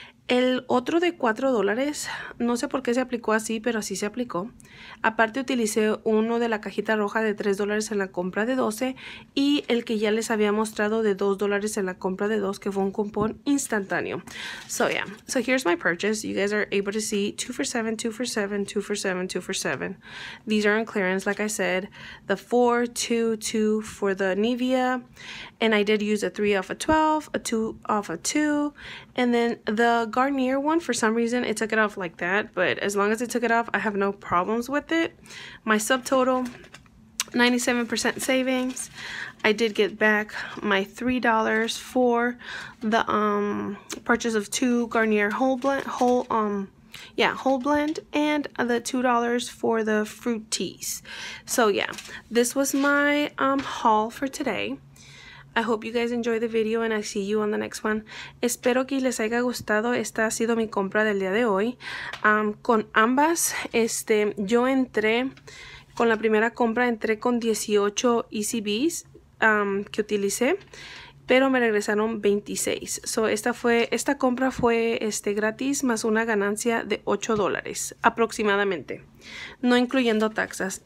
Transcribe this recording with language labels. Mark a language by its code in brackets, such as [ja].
[es] El otro de $4, no sé por qué se aplicó así, pero así se aplicó. Aparte utilicé uno de la cajita roja de $3 en la compra de 12 y el que ya les había mostrado de $2 en la compra de 2, que fue un cupón instantáneo. [en] So yeah, so here's my purchase. You guys are able to see 2 for 7, 2 for 7, 2 for 7, 2 for 7. These are on clearance, like I said. The 4, 2, 2 for the Nivea. And I did use a 3 off of 12, a 2 off of 2, and then the Garnier one, for some reason it took it off like that, but as long as it took it off, I have no problems with it. My subtotal, 97% savings. I did get back my $3 for the purchase of two Garnier whole blend and the $2 for the fruit teas. So yeah, this was my haul for today. I hope you guys enjoy the video and I'll see you on the next one. [es] Espero que les haya gustado. Esta ha sido mi compra del día de hoy. Con ambas, yo entré con la primera compra, entré con 18 ECBs que utilicé, pero me regresaron 26. So esta compra fue gratis más una ganancia de $8 aproximadamente, no incluyendo taxas.